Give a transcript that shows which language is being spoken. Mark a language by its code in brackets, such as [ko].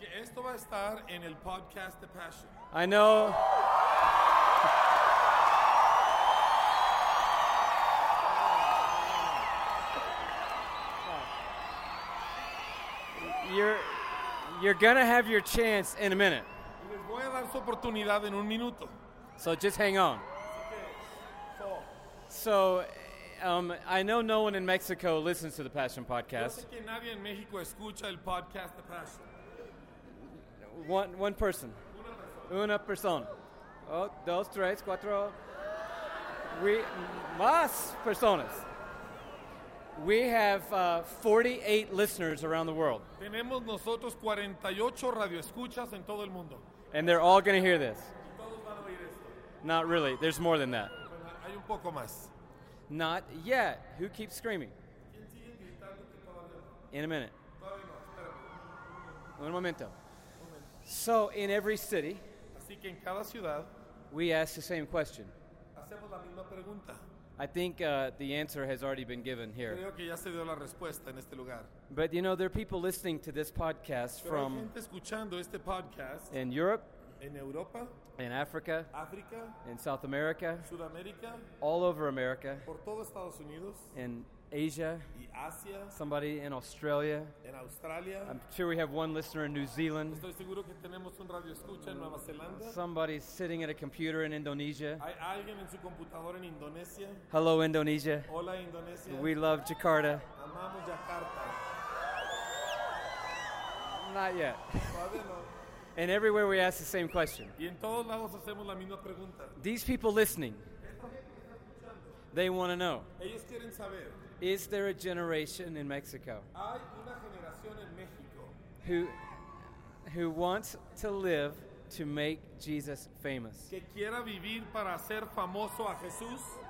[es] Esto va a estar en el podcast de Passion. [en] I know. You're going to have your chance in a minute. [es] Y les voy a dar su oportunidad en un minuto. [en] So just hang on. So I know no one in Mexico listens to the Passion Podcast. [es] Yo sé que nadie en México escucha el podcast de Passion. [en] One person. [es] Una persona. Oh, dos, tres, cuatro. We, más personas. [en] We have 48 listeners around the world. [es] Tenemos nosotros 48 radioescuchas en todo el mundo. [en] And they're all going to hear this. [es] Y todos van a oír esto. [en] Not really. There's more than that. [es] Hay un poco más. [en] Not yet. Who keeps screaming? [es] ¿Quién sigue gritando que todavía no? [en] In a minute. [es] Todavía no, espérame. Un momento. [en] So in every city, [es] así que en cada ciudad, [en] we ask the same question. [es] Hacemos la misma pregunta. [en] I think the answer has already been given here. [es] Creo que ya se dio la respuesta en este lugar. [en] But you know, there are people listening to this podcast [es] pero [en] from [es] hay gente escuchando este podcast [en] in Europe, [es] en Europa, [en] in Africa, [es] Africa, [en] in South America, [es] Sudamérica, [en] all over America, [es] por todo Estados Unidos, [en] in Asia, [es] y Asia, [en] somebody in Australia. [es] En Australia. [en] I'm sure we have one listener in New Zealand. [es] Estoy seguro que tenemos un radio escucha en Nueva Zelanda. [en] Somebody's sitting at a computer in Indonesia. [es] Hay alguien en su computador en Indonesia. [en] Hello, Indonesia. [es] Hola, Indonesia. [en] We love Jakarta. [es] Amamos Jakarta. [en] Not yet. [es] Todavía no. [en] And everywhere we ask the same question. [es] Y en todos lados hacemos la misma pregunta. [en] These people listening, they want to know. [es] Ellos quieren saber. [en] Is there a generation in Mexico [es] hay una generación en México [en] who wants to live to make Jesus famous? [es] Que quiera vivir para hacer famoso a Jesús?